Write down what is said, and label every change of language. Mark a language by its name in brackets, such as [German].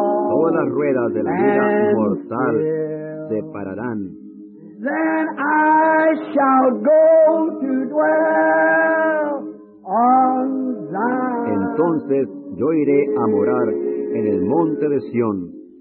[Spanish] Todas las ruedas de la vida mortal se pararán. [English] Then I shall go to dwell on Zion. [Spanish] Entonces yo iré a morar en el monte de Sion.